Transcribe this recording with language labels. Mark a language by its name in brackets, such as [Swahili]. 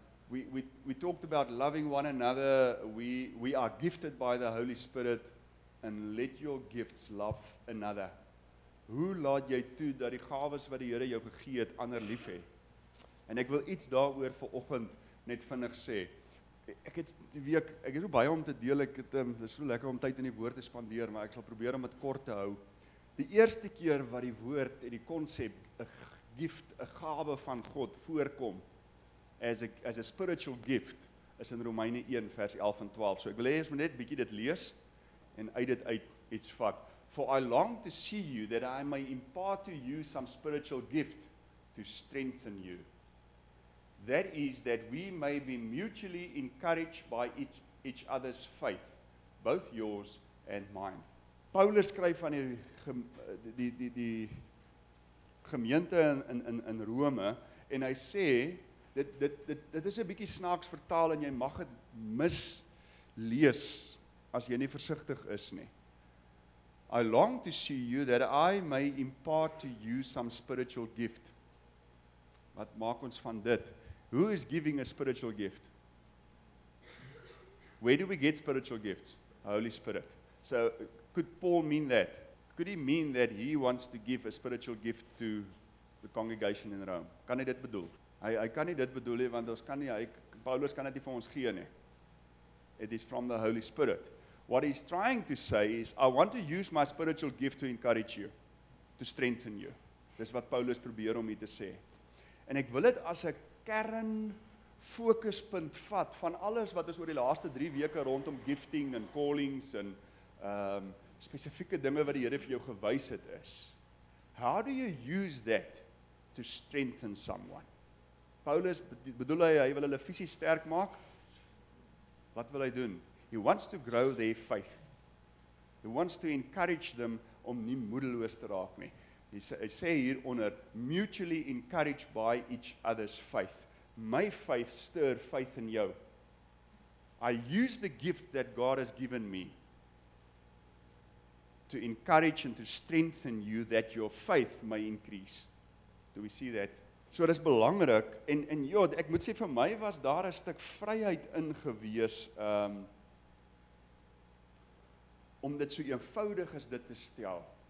[English] We talked about loving one another, we are gifted by the Holy Spirit, and let your gifts love another. [Afrikaans] Hoe laat jy toe dat die gawes wat die Here jou gegee het ander lief hê? En ek wil iets daaroor vanoggend net vinnig sê, ek het die week, ek het so baie om te deel, ek het, dit is so lekker om tyd in die woord te spandeer, maar ek sal probeer om het kort te hou. Die eerste keer wat die woord en die concept, [English] a gift, [Afrikaans] a gave van God voorkom, [English] as a spiritual gift, [Afrikaans] is in Romeine 1 vers 11 en 12. So ek wil eers net bietjie dit lees, en uit dit uit iets vat. [English] For I long to see you, that I may impart to you some spiritual gift, to strengthen you. That is that we may be mutually encouraged by each other's faith, both yours and mine. [Afrikaans] Paulus skryf aan die gemeente in Rome, en hy sê, dit is 'n bietjie snaaks vertaal, en jy mag het mislees, as jy nie versigtig is nie. [English] I long to see you that I may impart to you some spiritual gift. [Afrikaans] Wat maak ons van dit? [English] Who is giving a spiritual gift? Where do we get spiritual gifts? Holy Spirit. So, could Paul mean that? Could he mean that he wants to give a spiritual gift to the congregation in Rome? [Afrikaans] Kan hy dit bedoel? Hy kan nie dit bedoel nie, want ons kan nie, Paulus kan dit nie vir ons gee nie. [English] It is from the Holy Spirit. What he's trying to say is, I want to use my spiritual gift to encourage you, to strengthen you. [Afrikaans] Dis wat Paulus probeer om hier te sê. En ek wil dit as 'n kern fokuspunt vat van alles wat ons oor die laaste 3 weke rondom gifting en callings en spesifieke dinge wat die Here vir jou gewys het is. [English] How do you use that to strengthen someone? [Afrikaans] Paulus bedoel hy wil hulle fisies sterk maak. Wat wil hy doen? [English] He wants to grow their faith. He wants to encourage them [Afrikaans] om nie moedeloos te raak nie. Hy sê hieronder, [English] mutually encouraged by each other's faith. My faith stir faith in jou. I use the gift that God has given me to encourage and to strengthen you that your faith may increase. Do we see that? [Afrikaans] So dit is belangrik, en joh, ek moet sê, vir my was daar 'n stuk vryheid in gewees, om dit so eenvoudig as dit te stel.